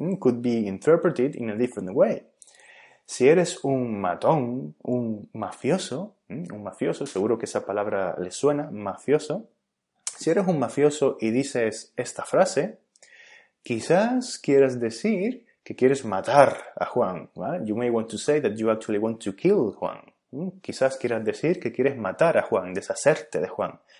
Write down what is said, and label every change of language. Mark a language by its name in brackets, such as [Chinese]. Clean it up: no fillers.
[English] Could be interpreted in a different way. [Spanish] Si eres un matón, un mafioso, seguro que esa palabra le suena, mafioso. Si eres un mafioso y dices esta frase, quizás quieras decir que quieres matar a Juan. [English] Right? You may want to say that you actually want to kill Juan. [Spanish] Quizás quieras decir que quieres matar a Juan, deshacerte de Juan.